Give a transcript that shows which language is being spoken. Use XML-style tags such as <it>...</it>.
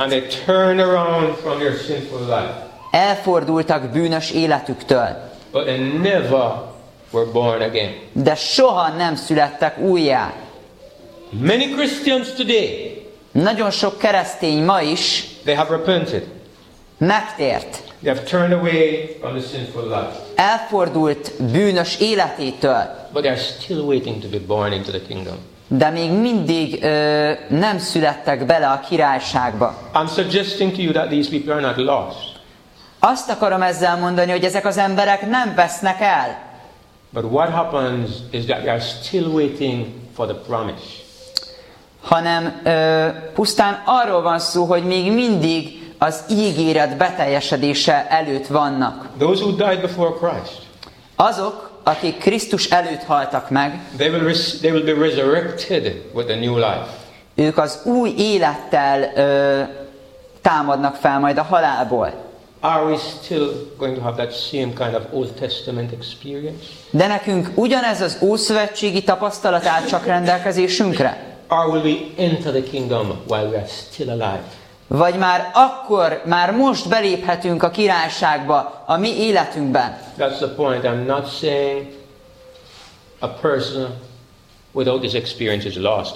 <en>And they turned around from their sinful life.</en> <hu>Elfordultak bűnös életüktől.</hu> <en>But they never were born again.</en> <hu>De soha nem születtek újjá.</hu> <en>Many Christians today.</en> <hu>Nagyon sok keresztény ma is.</hu> <en>They have repented.</en> <hu>Megtért.</hu> <en>They have turned away from the sinful life.</en> <hu>Elfordult bűnös életétől.</hu> <en>But they are still waiting to be born into the kingdom.</en> <hu>De még mindig nem születtek bele a királyságba.</hu> <en>I'm suggesting to you that these people are not lost.</en> <hu>Azt akarom ezzel mondani, hogy ezek az emberek nem vesznek el.</hu> <en>But what happens is that they are still waiting for the promise.</en> <hu>Hanem pusztán arról van szó, hogy még mindig az ígéret beteljesedése előtt vannak.</hu> <en>Those who died before Christ.</en> <hu>Azok, akik Krisztus előtt haltak meg.</hu> <en>They will be resurrected with a new life.</en> <hu>Ők az új élettel támadnak fel majd a halálból.</hu> <en>Are we still going to have that same kind of Old Testament experience?</en> <hu>De nekünk ugyanez az ószövetségi tapasztalat áll csak rendelkezésünkre?</hu> <en>Or will we enter the kingdom while we are still alive?</en> <hu>Vagy már akkor, már most beléphetünk a királyságba, a mi életünkben.</hu> <en>That's the point. I'm not saying a person without this experience is lost.</en>